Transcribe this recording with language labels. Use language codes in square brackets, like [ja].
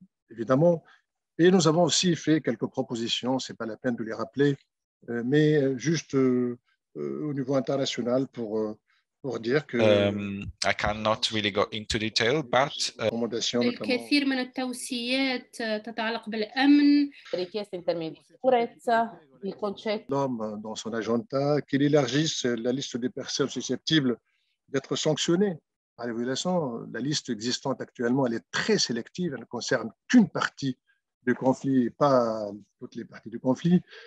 [fr] Évidemment, et nous avons aussi fait quelques propositions, ce n'est pas la peine de les rappeler, mais juste au niveau international pour dire que... [en] I cannot really go into detail, but... [ar] الكثير من التوصيات تتعلق بالأمن. [it] Richieste in termini di sicurezza. Il concetto [fr] l'homme dans son agenda qu'il élargisse la liste des personnes susceptibles d'être sanctionnées par les violations. La liste existante actuellement, elle est très sélective, elle ne concerne qu'une partie du conflit et pas toutes les parties du conflit.